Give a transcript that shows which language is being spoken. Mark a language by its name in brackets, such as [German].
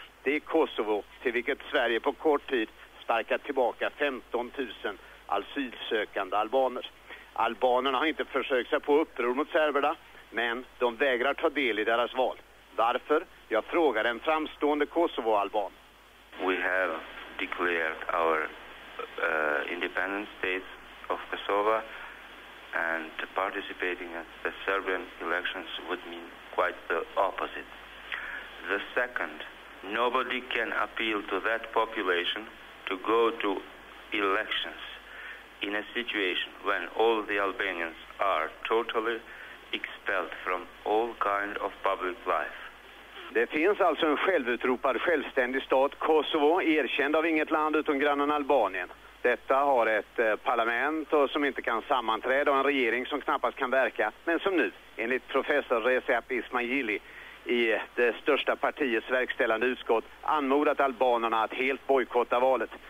[Swedish] Det är Kosovo till vilket Sverige på kort tid sparkat tillbaka 15 000 asylsökande albaner. Albanerna har inte försökt sig på uppror mot serberna, men de vägrar ta del i deras val. Varför? Jag frågar en framstående Kosovo-alban. [English] We have declared our independent state of Kosovo and participating in the Serbian elections would mean quite the opposite. The second, nobody can appeal to that population to go to elections in a situation when all the Albanians are totally expelled from all kind of public life. [Swedish] Det finns alltså en självutropad självständig stat, Kosovo, erkänd av inget land utom grannen Albanien. Detta har ett parlament och som inte kan sammanträda och en regering som knappast kan verka, men som nu, enligt professor Recep Ismajili, i det största partiets verkställande utskott anmodat albanerna att helt bojkotta valet.